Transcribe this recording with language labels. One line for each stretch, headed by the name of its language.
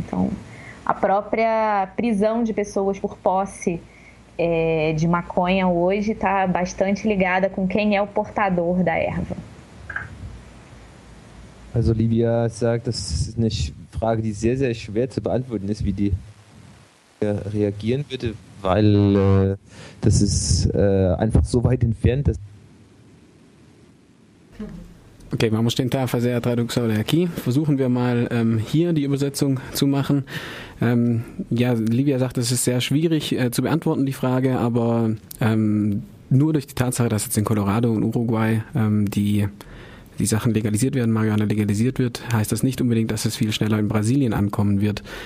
Portuguese: Então, a própria prisão de pessoas por posse de maconha hoje está bastante ligada com quem é o portador da erva.
German: Also Olivia sagt, das ist eine Frage, die sehr, sehr schwer zu beantworten ist, wie die reagieren würde, weil das ist einfach so weit entfernt, dass...
Portuguese: Okay, vamos tentar fazer a tradução daqui.
German: Versuchen wir mal hier die Übersetzung zu machen. Ja, Livia sagt, es ist sehr schwierig zu beantworten, die Frage, aber nur durch die Tatsache, dass jetzt in Colorado und Uruguay die Sachen legalisiert werden, Marihuana legalisiert wird, heißt das nicht unbedingt, dass es viel schneller in Brasilien ankommen wird.